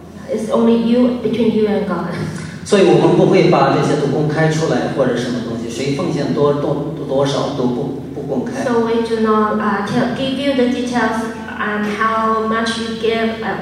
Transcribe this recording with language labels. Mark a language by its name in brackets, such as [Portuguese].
[English] It's only you between you and God. [Chinese] 所以我们不会把这些都公开出来或者什么东西，谁奉献多少都不公开。 [English] So we do not give you the details on how much you give.